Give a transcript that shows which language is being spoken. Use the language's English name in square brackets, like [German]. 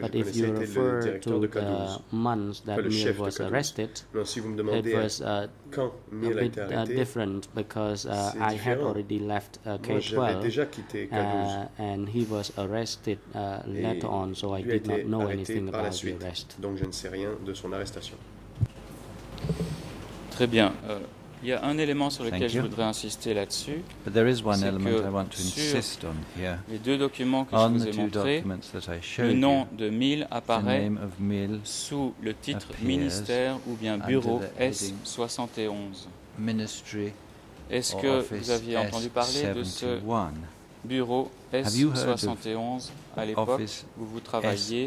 [English] But if you refer to the months that Mil was arrested, it was a bit different because I had already left K-12, and he was arrested later on, so I did not know anything about the arrest. [French] Donc je ne sais rien de son arrestation. Très bien. Il y a un élément sur lequel je voudrais insister là-dessus. [English] But there is one element I want to insist on here. [French] Les deux documents que je vous ai montrés, le nom de Mil apparaît sous le titre ministère ou bien bureau S71. Est-ce que vous aviez entendu parler de ce bureau S71 à l'époque où vous travailliez